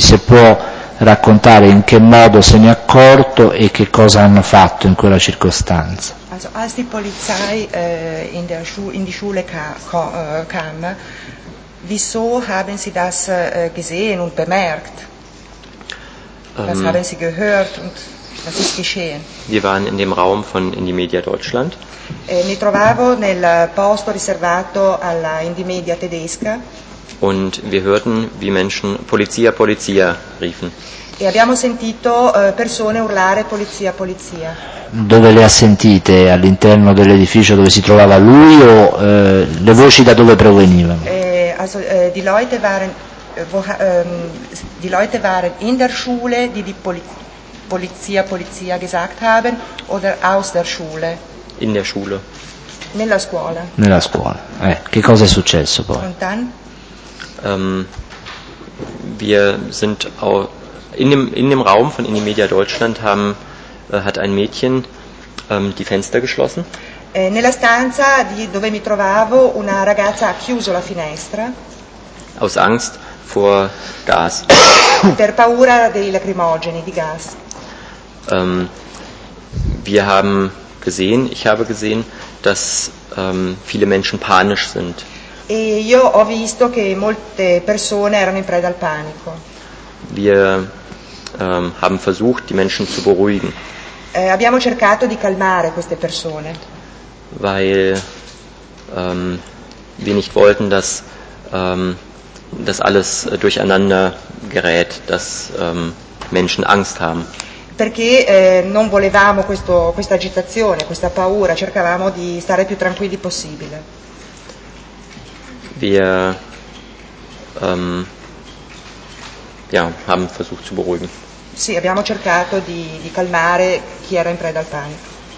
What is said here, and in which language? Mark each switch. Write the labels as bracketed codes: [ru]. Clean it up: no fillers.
[it] Se può raccontare in che modo se ne è accorto e che cosa hanno fatto in quella circostanza. [de] Also, als die Polizei in die Schule kam, wieso haben Sie das gesehen und bemerkt? Was haben Sie gehört und was ist geschehen? Wir waren in dem Raum von Indymedia Deutschland. [it] Mi trovavo nel posto riservato alla Indymedia tedesca. [de] Und wir hörten, wie Menschen Polizia, Polizia riefen. [it] E abbiamo sentito persone urlare Polizia, Polizia. Dove le ha sentite? All'interno dell'edificio dove si trovava lui o le voci da dove provenivano? [de] Die Leute waren in der Schule, die Polizia, Polizia gesagt haben, oder aus der Schule? In der Schule. [it] Nella scuola. Nella scuola. Che cosa è successo poi? [de] Und dann? Wir sind auch in dem Raum von Indymedia Deutschland hat ein Mädchen die Fenster geschlossen. [it] Nella stanza di dove mi trovavo, una ragazza ha chiuso la finestra. [de] Aus Angst vor Gas. [it] Per paura dei lacrimogeni, di gas. [de] Wir haben gesehen, ich habe gesehen, dass viele Menschen panisch sind. [it] E io ho visto che molte persone erano in preda al panico. [de] Wir haben versucht, die Menschen zu beruhigen. [it] Abbiamo cercato di calmare queste persone. [de] Weil wir nicht wollten, dass das alles durcheinander gerät, dass Menschen Angst haben. [it] Perché non volevamo questa agitazione, questa paura, cercavamo di stare più tranquilli possibile. [de] Wir haben versucht zu beruhigen. [it] Sì, abbiamo cercato di calmare chi era in preda al panico.